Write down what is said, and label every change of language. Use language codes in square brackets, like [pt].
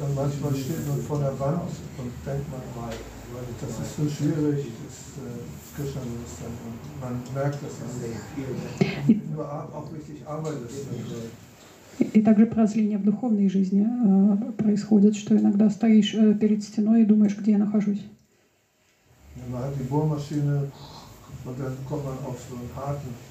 [de] Und manchmal steht man vor der Wand und denkt man, das ist so schwierig, das Krishna Bewusstsein. Und man merkt, dass man nur auch richtig arbeitet. [ru] И также прозрение в духовной жизни происходит, что иногда стоишь перед стеной и думаешь, где я нахожусь. [de] Man hat die Bohrmaschine und dann kommt man auf so einen harten